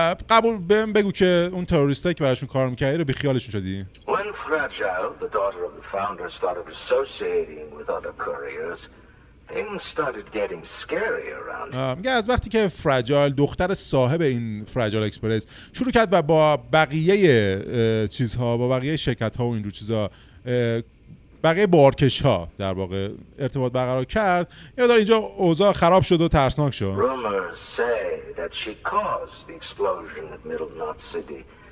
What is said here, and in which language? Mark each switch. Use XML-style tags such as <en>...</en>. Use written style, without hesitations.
<fa>قبول بهم بگو که اون تروریست هایی که براشون کار میکردی رو بیخیالشون شدی.</fa> <en>When Fragile, the daughter of the founder, started associating with other couriers, things started getting scary around here.</en> <fa>میگه از وقتی که فرجال دختر صاحب این فرجال اکسپرس شروع کرد و با بقیه چیزها با بقیه شرکت ها و اینجور چیزها بقیه بارکش ها در واقع ارتباط برقرار کرد یا در اینجا اوضاع خراب شد و ترسناک شد.</fa> <en>Rumors say that she caused the explosion at Middle Knot City.</en>